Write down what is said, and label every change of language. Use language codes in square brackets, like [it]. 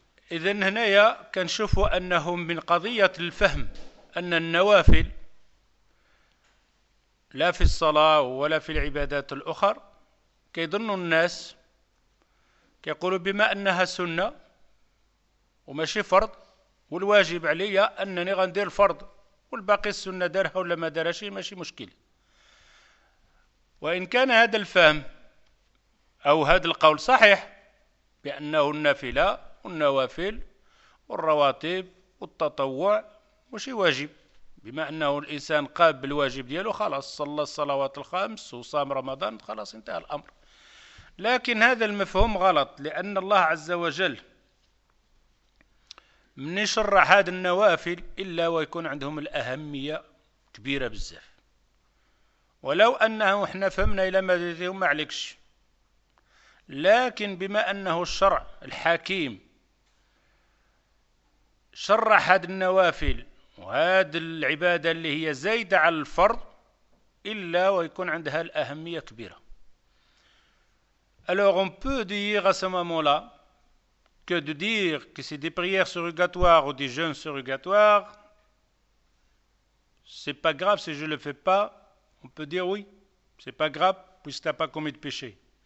[fr] Et donc, nous voyons que c'est une question de la compréhension, que les nawafil, ni dans la salat, ni dans les ibadat autres, qui pensent les gens, [ar] يقول بما أنها سنة وماشي فرض والواجب علي أنني غندير الفرض والباقي السنة دارها ولا ما دارها شيء ماشي مشكل. وإن كان هذا الفهم أو هذا القول صحيح بأنه النافلة والنوافل والرواتب والتطوع ماشي واجب، بما أنه الإنسان قابل الواجب دياله خلاص صلى الصلوات الخمس وصام رمضان خلاص انتهى الأمر. لكن هذا المفهوم غلط، لأن الله عز وجل من يشرع هذه النوافل إلا ويكون عندهم الأهمية كبيرة بزاف، ولو أنه إحنا فهمنا إلى ما ديتهم ما عليكش، لكن بما أنه الشرع الحكيم شرع هذه النوافل وهذه العبادة اللي هي زايدة على الفرض إلا ويكون عندها الأهمية كبيرة. [fr] Alors on peut dire à ce moment-là que de dire que c'est des prières surrogatoires ou des jeûnes surrogatoires, c'est pas grave si je le fais pas, on peut dire oui, c'est pas grave puisque t'as pas commis de péché.